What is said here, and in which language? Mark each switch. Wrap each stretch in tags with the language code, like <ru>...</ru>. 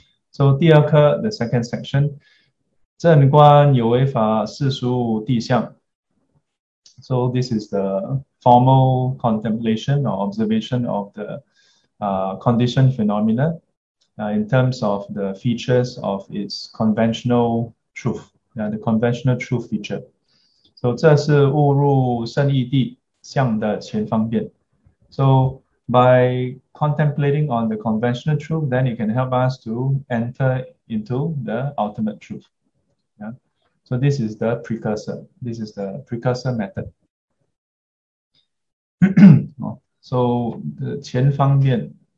<zh>So 第二课,</zh> <en>the second section,</en> <zh>正观有为法，世俗谛相.</zh> <en>So this is the formal contemplation or observation of the conditioned phenomena in terms of the features of its conventional truth, the conventional truth feature.</en> <zh>So 这是误入圣义谛相的前方便.</zh> <en>So by contemplating on the conventional truth, then it can help us to enter into the ultimate truth. So this is the precursor. This is the precursor method. So the 前方便.</en>